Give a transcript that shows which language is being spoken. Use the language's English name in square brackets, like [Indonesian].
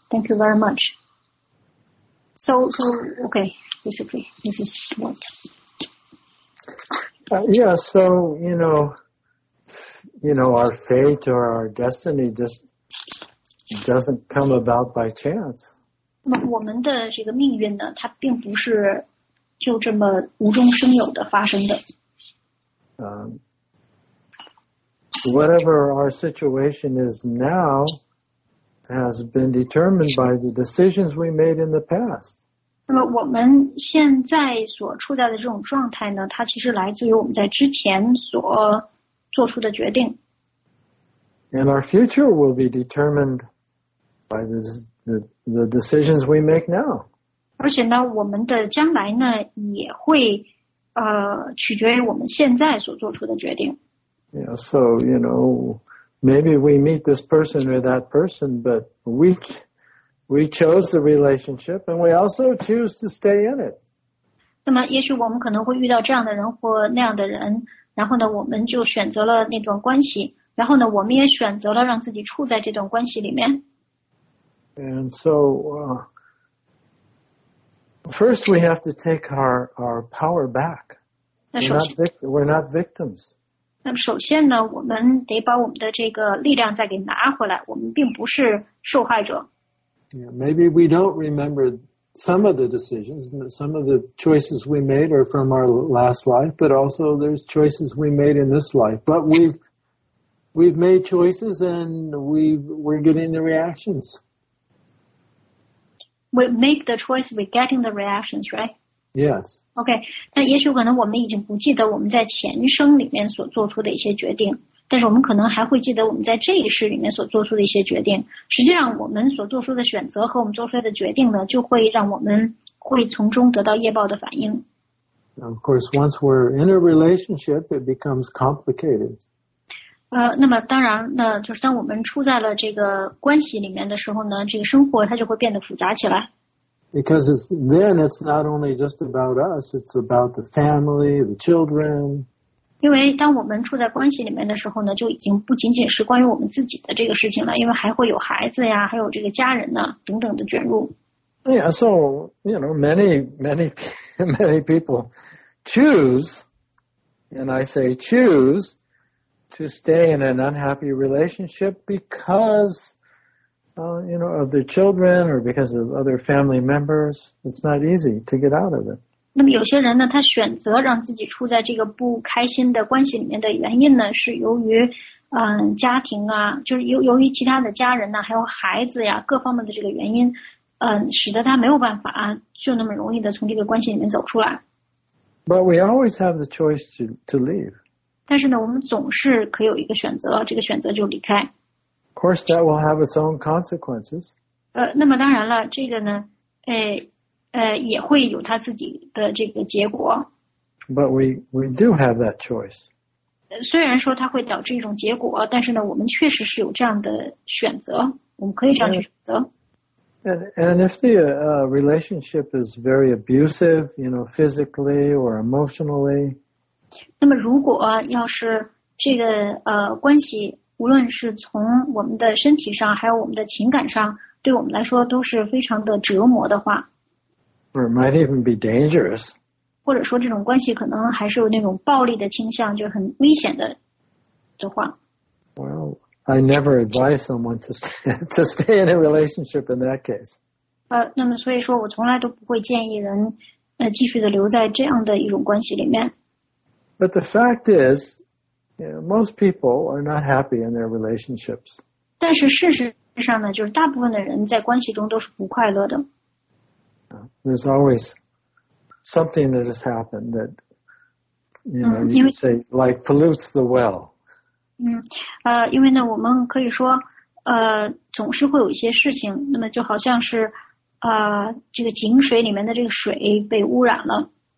[English] Thank you very much. So, okay, basically, this is what. So, our fate or our destiny just doesn't come about by chance. [Chinese] 我们的这个命运呢，它并不是就这么无中生有的发生的。 [English] Whatever our situation is now has been determined by the decisions we made in the past. [Chinese] 那么我们现在所处在的这种状态呢，它其实来自于我们在之前所做出的决定。 [English] And our future will be determined by the decisions we make now. [Chinese] 而且呢，我们的将来呢，也会取决于我们现在所做出的决定。 [English] Yeah, so you know, maybe we meet this person or that person, but we chose the relationship, and we also choose to stay in it. [Chinese] 那么，也许我们可能会遇到这样的人或那样的人，然后呢，我们就选择了那段关系，然后呢，我们也选择了让自己处在这段关系里面。 [English] And so. First, we have to take our power back. We're not victims. [Chinese] 那首先呢，我们得把我们的这个力量再给拿回来。我们并不是受害者。 [English] Yeah, maybe we don't remember some of the decisions, some of the choices we made are from our last life, but also there's choices we made in this life. But we've made choices and we're getting the reactions. We make the choice, we're getting the reactions, right? Yes. [Chinese] Okay, 那也许可能我们已经不记得我们在前生里面所做出的一些决定，但是我们可能还会记得我们在这一世里面所做出的一些决定。实际上我们所做出的选择和我们做出的决定呢，就会让我们会从中得到业报的反应。 [English] Of course, once we're in a relationship, it becomes complicated. [Chinese] 那么当然呢，就是当我们处在了这个关系里面的时候呢，这个生活它就会变得复杂起来。 [English] Because it's not only just about us, it's about the family, the children. [Chinese] 因为当我们处在关系里面的时候呢，就已经不仅仅是关于我们自己的这个事情了，因为还会有孩子呀，还有这个家人呢等等的卷入。 [English] Yeah, so, you know, many, many, many people choose, and I say choose,to stay in an unhappy relationship because you know, of their children or because of other family members, it's not easy to get out of it. [Chinese] 那么有些人呢，他选择让自己处在这个不开心的关系里面的原因呢，是由于家庭啊，就是由于其他的家人呢，还有孩子呀，各方面的这个原因，使得他没有办法就那么容易的从这个关系里面走出来。 [English] But we always have the choice to leave. [Chinese] 但是呢，我们总是可以有一个选择，这个选择就离开。 [English] Of course, that will have its own consequences. [Chinese] 那么当然了，这个呢，也会有他自己的这个结果。 [English] But we do have that choice. [Chinese] 虽然说它会导致一种结果，但是呢，我们确实是有这样的选择，我们可以这样去选择。 [English] And if the relationship is very abusive, you know, physically or emotionally. [Chinese] 那么如果要是这个关系，无论是从我们的身体上，还有我们的情感上，对我们来说都是非常的折磨的话。 [English] Or it might even be dangerous. [Chinese] 或者说这种关系可能还是有那种暴力的倾向，就是很危险的话。 [English] Well, I never advise someone to stay in a relationship in that case. [Chinese] 那么所以说我从来都不会建议人继续的留在这样的一种关系里面。 [English] But the fact is, you know, most people are not happy in their relationships. [Chinese] 但是事实上呢，就是大部分的人在关系中都是不快乐的。 [English] There's always something that has happened that, you know, you could say, like, pollutes the well. [Chinese] 因为呢，我们可以说，总是会有一些事情，那么就好像是，这个井水里面的这个水被污染了。